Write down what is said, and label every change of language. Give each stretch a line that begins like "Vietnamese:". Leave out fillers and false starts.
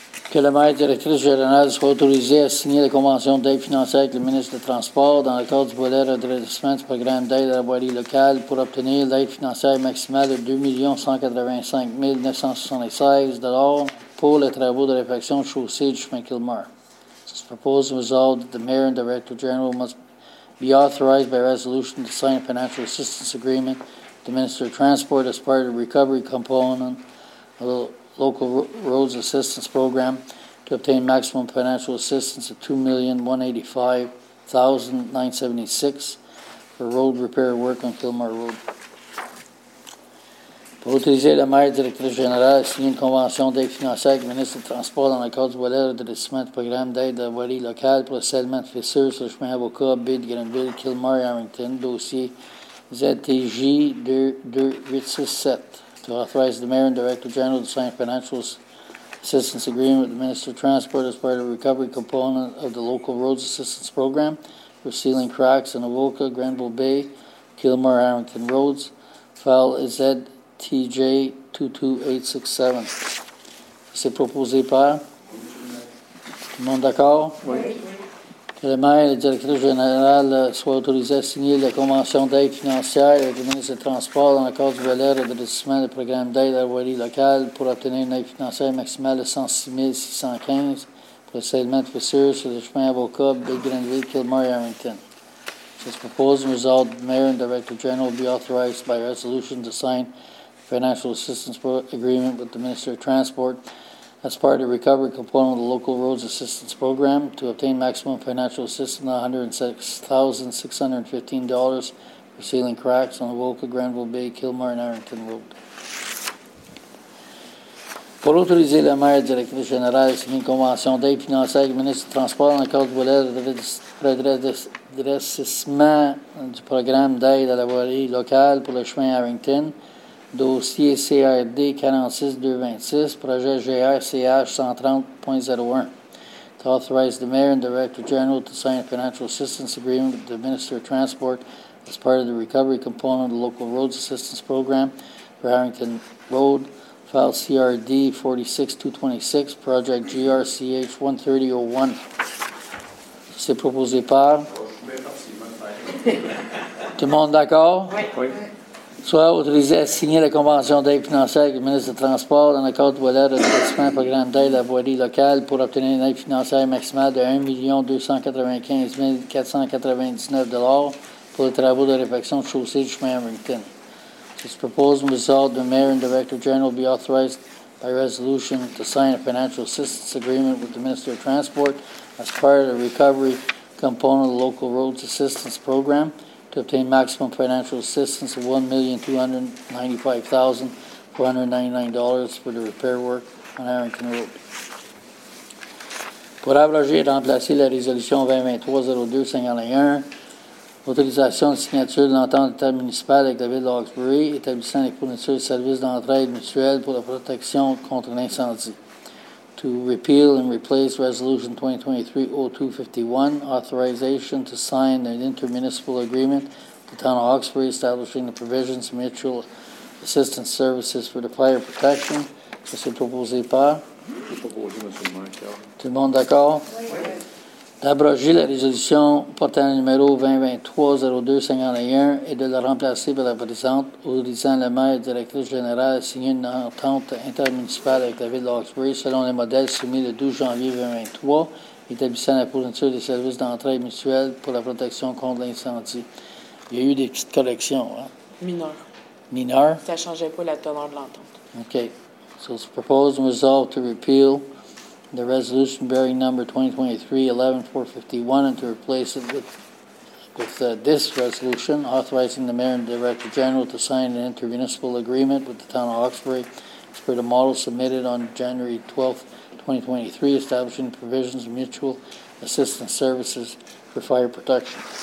French: Que le maire directeur général soit autorisé à signer la convention d'aide financière avec le ministre des Transports dans le cadre du volet de redressement du programme d'aide à la voirie locale pour obtenir l'aide financière maximale de $2,185,976 pour les travaux de réfection chaussée du chemin Kilmar.
English: It's proposed and resolved that the mayor and director general must be authorized by resolution to sign a financial assistance agreement with the Minister of Transport as part of the recovery component of the local roads assistance program to obtain maximum financial assistance of $2,185,976 for road repair work on Kilmar Road.
French: Pour autoriser le maire directeur général à signer une convention d'aide financière avec le ministre des Transports dans le cadre du volet de redressement du programme d'aide à la voirie locale pour le scellement de fissures sur le chemin Avocat, Bid, Grenville, Kilmar et Harrington, dossier ZTJ-22867.
English: To authorize the mayor and director general to sign a financial assistance agreement with the Minister of Transport as part of the recovery component of the local roads assistance program for sealing cracks in Avoca, Granville Bay, Kilmar, Harrington Roads, file ZTJ-22867.
French: C'est proposé par? Tout le monde d'accord? Oui. Que le maire et le directeur général soient autorisés à signer la convention d'aide financière avec le ministre des Transports dans le cadre du volet de redressement du programme d'aide à la voirie locale pour obtenir une aide financière maximale de 106 615 pour le scellement de fissures sur le chemin Avocat, Big Grenville, Kilmar et Harrington.
English: This proposal is resolved that the mayor and director general be authorized by resolution to sign financial assistance agreement with the Minister of Transport as part of the recovery component of the local roads assistance program to obtain maximum financial assistance of $106,615 for sealing cracks on Avoca, Granville Bay, Kilmar and Harrington Road.
French: Pour autoriser le maire directeur général à signer une convention d'aide financière avec le ministre des Transports dans le cadre du volet de redressement du programme d'aide à la voirie locale pour le chemin Harrington, dossier CRD-46-226, projet GRCH-130.01.
English: To authorize the mayor and director general to sign a financial assistance agreement with the Minister of Transport as part of the recovery component of the local roads assistance program for Harrington Road, file CRD-46-226, project GRCH-130.01.
French: C'est proposé par? Tout le monde d'accord? Oui. soit autorisé à signer la convention d'aide financière avec le ministre des Transports dans le cadre de l'investissement programme d'aide à la voirie locale pour obtenir une aide financière maximale de 1,295,499 $ pour les travaux de réfection de chaussée du chemin Hamilton.
English: This proposal resolved the mayor and director general be authorized by resolution to sign a financial assistance agreement with the Minister of Transport as part of the recovery component of the local roads assistance program to obtain maximum financial assistance of $1,295,499 for the repair work on Harrington Road.
French: Pour abroger et remplacer la résolution 2023-02-51, autorisation de signature de l'entente d'État municipal avec la ville d'Hawkesbury, établissant les fournitures de services d'entraide mutuelle pour la protection contre l'incendie.
English: To repeal and replace Resolution 2023-02-51, authorization to sign an intermunicipal agreement with the Town of Hawkesbury establishing the provisions of mutual assistance services for the fire protection.
French: Ça s'est proposé par? C'est proposé, M. le maire. Tout le monde d'accord? Oui. D'abroger la résolution portant le numéro 2023-02-51 et de la remplacer par la présente, autorisant le maire et directrice générale à signer une entente intermunicipale avec la ville d'Hawkesbury selon les modèles soumis le 12 janvier 2023, établissant la fourniture des services d'entraide mutuelle pour la protection contre l'incendie. Il y a eu des petites corrections. Hein? Mineures. Mineures? Ça ne changeait pas la teneur de l'entente. OK.
English: So it's proposed and resolved to repeal the resolution bearing number 2023-11-451 and to replace it with this resolution authorizing the mayor and director general to sign an intermunicipal agreement with the town of Hawkesbury as per the model submitted on January 12, 2023, establishing provisions of mutual assistance services for fire protection.